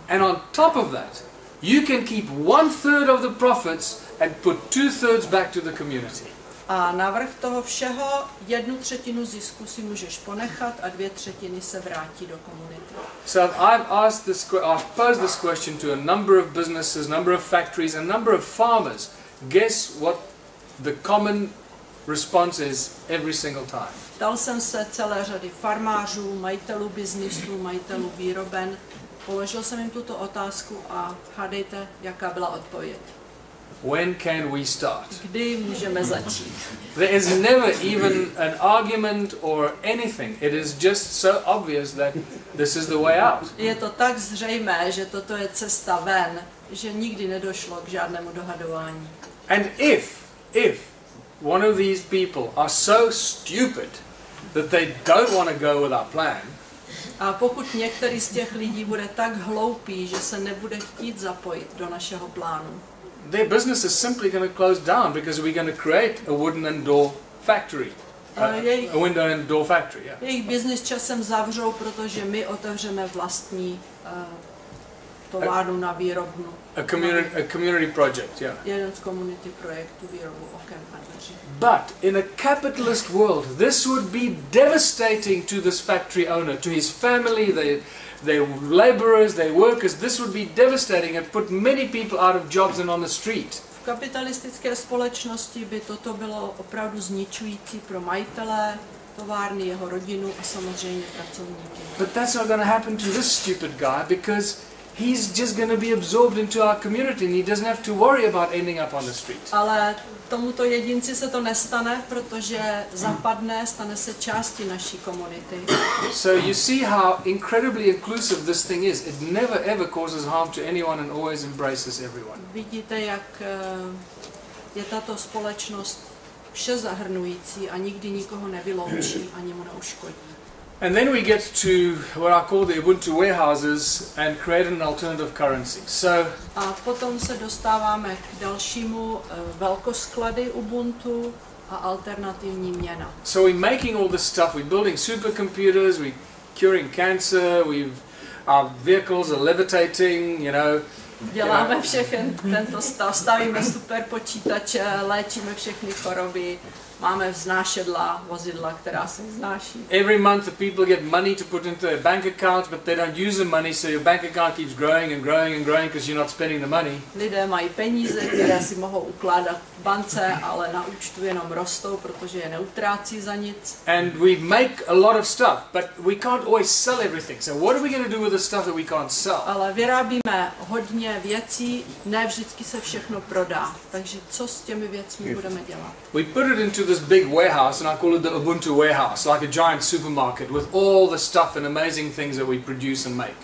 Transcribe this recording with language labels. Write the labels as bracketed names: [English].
[English] And on top of that, you can keep 1/3 of the profits and put 2/3 back to the community. [Czech] A navrch toho všeho 1/3 zisku si můžeš ponechat a 2/3 se vrátí do komunity. [English] So I've posed this question to a number of businesses, number of factories, a number of farmers. Guess what the common responses every single time. [Czech] Ptal jsem se celé řady farmářů, majitelů biznisů, majitelů výroben, položil jsem jim tuto otázku a hádejte, jaká byla odpověď. [English] When can we start? [Czech] Kdy můžeme začít? [English] There is never even an argument or anything. It is just so obvious that this is the way out. [Czech] Je to tak zřejmé, že toto je cesta ven, že nikdy nedošlo k žádnému dohadování. [English] And if one of these people are so stupid that they don't want to go with our plan. [Czech] A pokud některý z těch lidí bude tak hloupý, že se nebude chtít zapojit do našeho plánu. [English] Their business is simply going to close down because we're going to create a wooden and door factory. A window and door factory, yeah. [Czech] Jejich business časem zavřou, protože my otevřeme vlastní továrnu na výrobnu. [English] A community project, yeah. [Czech] Jeden z community projektů výrobu okem a dveří. [English] But in a capitalist world, this would be devastating to this factory owner, to his family, their laborers, their workers. This would be devastating and put many people out of jobs and on the street. [Czech] V kapitalistické společnosti by toto bylo opravdu zničující pro majitele továrny, jeho rodinu a samozřejmě pracovníky. [English] But that's not going to happen to this stupid guy because he's just going to be absorbed into our community and he doesn't have to worry about ending up on the street. [Czech] Ale tomuto jedinci se to nestane, protože zapadne, stane se částí naší komunity. [English] So you see how incredibly inclusive this thing is. It never ever causes harm to anyone and always embraces everyone. [Czech] Vidíte, jak je tato společnost vše zahrnující a nikdy nikoho nevyloučí ani mu neuškodí. [English] And then we get to what I call the Ubuntu warehouses and create an alternative currency. So [Czech] a potom se dostáváme k dalšímu velkosklady Ubuntu a alternativní měna. [English] So we're making all this stuff, we're building supercomputers, we're curing cancer, our vehicles are levitating, you know. [Czech] Děláme všechen tento stav, stavíme superpočítače, léčíme všechny choroby. Máme vznášedla, vozidla, která se vznáší. [English] Every month the people get money to put into their bank accounts, but they don't use the money, so your bank account keeps growing and growing and growing because you're not spending the money. [Czech] Lidé mají peníze, které si mohou ukládat v bance, ale na účtu jenom rostou, protože je neutrácí za nic. [English] And we make a lot of stuff, but we can't always sell everything. So what are we going to do with the stuff that we can't sell? [Czech] Ale vyrábíme hodně věcí, ne vždycky se všechno prodá. Takže co s těmi věcmi budeme dělat? [English] We put it into this big warehouse, and I call it the Ubuntu warehouse, like a giant supermarket with all the stuff and amazing things that we produce and make.